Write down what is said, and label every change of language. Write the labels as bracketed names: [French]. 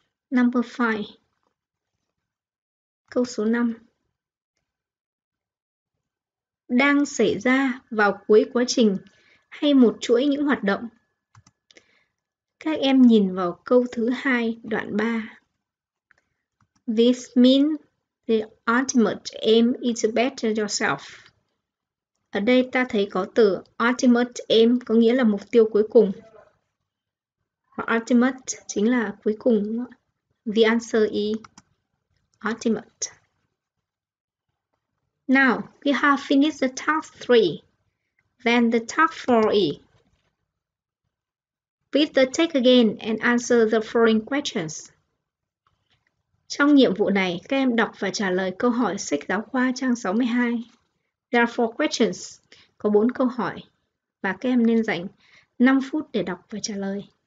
[English] Number 5. [Vietnamese] Câu số 5. Đang xảy ra vào cuối quá trình hay một chuỗi những hoạt động. Các em nhìn vào câu thứ 2 đoạn 3. [English] This means the ultimate aim is to better yourself. [Vietnamese] Ở đây ta thấy có từ ultimate aim có nghĩa là mục tiêu cuối cùng. Và ultimate chính là cuối cùng. [English] The answer is ultimate. Now, we have finished the task 3. Then the task 4 is. Read the text again and answer the following questions. [Vietnamese] Trong nhiệm vụ này, các em đọc và trả lời câu hỏi sách giáo khoa trang 62. [English] There are 4 questions. [Vietnamese] Có 4 câu hỏi và các em nên dành 5 phút để đọc và trả lời.